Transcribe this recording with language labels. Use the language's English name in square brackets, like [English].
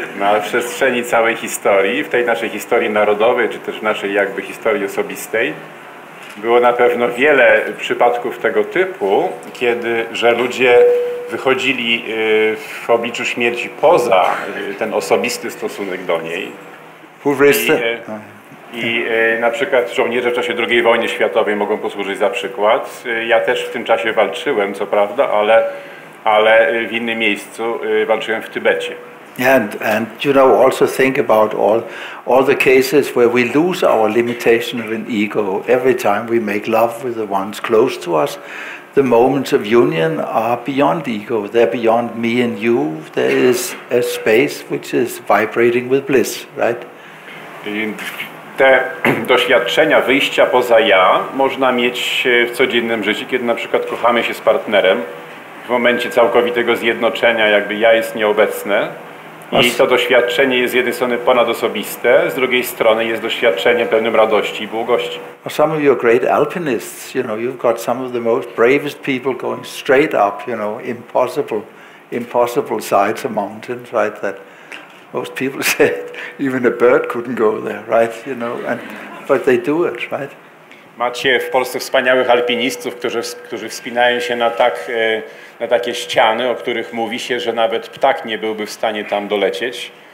[Polish] Na przestrzeni całej historii, w tej naszej historii narodowej, czy też naszej jakby historii osobistej, było na pewno wiele przypadków tego typu, kiedy że ludzie wychodzili w obliczu śmierci poza ten osobisty stosunek do niej. I na przykład żołnierze w czasie II wojny światowej mogą posłużyć za przykład. Ja też w tym czasie walczyłem, co prawda, ale w innym miejscu, walczyłem w Tybecie. [English] And you know, also think about all the cases where we lose our limitation of an ego every time we make love with the ones close to us. The moments of union are beyond ego. They're beyond me and you. There is a space which is vibrating with bliss, right? [Polish] Te doświadczenia wyjścia poza ja można mieć w codziennym życiu, kiedy na przykład kochamy się z partnerem, w momencie całkowitego zjednoczenia, jakby ja jest nieobecne. I to doświadczenie jest z jednej strony ponadosobiste, z drugiej strony jest doświadczeniem pełnym radości i błogości. [English] Some of your great alpinists, you know, you've got some of the most bravest people going straight up, you know, impossible sides of mountains, right? That most people said even a bird couldn't go there, right? You know, but they do it, right? [Polish] Macie w Polsce wspaniałych alpinistów, którzy wspinają się na takie ściany, o których mówi się, że nawet ptak nie byłby w stanie tam dolecieć.